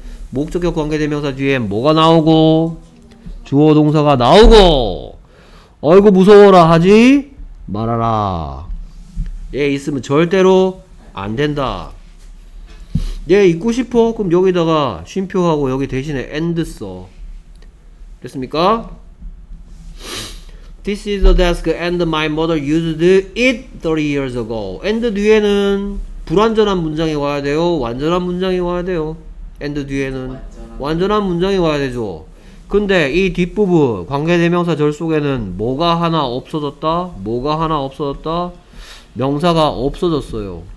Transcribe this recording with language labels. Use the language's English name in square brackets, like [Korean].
[Korean] 목적격 관계대명사 뒤에 뭐가 나오고 주어동사가 나오고 어이구 무서워라 하지 말아라. 얘 있으면 절대로 안 된다. 얘 있고 싶어? 그럼 여기다가 쉼표하고 여기 대신에 and 써. 됐습니까? [English] This is the desk and my mother used it 30 years ago. [Korean] and 뒤에는 불완전한 문장이 와야 돼요? 완전한 문장이 와야 돼요? and 뒤에는 완전한 문장이 와야 되죠. 근데 이 뒷부분 관계대명사 절 속에는 뭐가 하나 없어졌다? 뭐가 하나 없어졌다? 명사가 없어졌어요.